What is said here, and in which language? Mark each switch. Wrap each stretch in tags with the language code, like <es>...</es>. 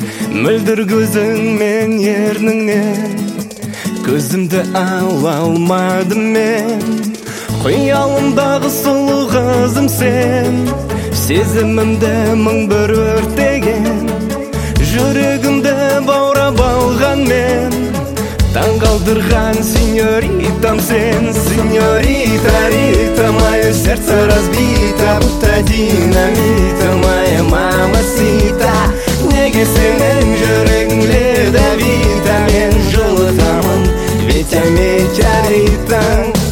<kk>Мөлдір көзіңмен ернінен көзімді ала алмадым мен. Қиялымдағы сұлу қызым сен, сезімімді мың бір өртеген. Жүрегімді баурап алған мен, таңғалдырған сеньорита сен.</kk> <ru>Сеньорита Рита, мое сердце разбито, будто динамита, моя мама сита.</ru> <kk>Неге сенің жүрегің ледовита, мен жылытамын Витя метеоритан.</kk>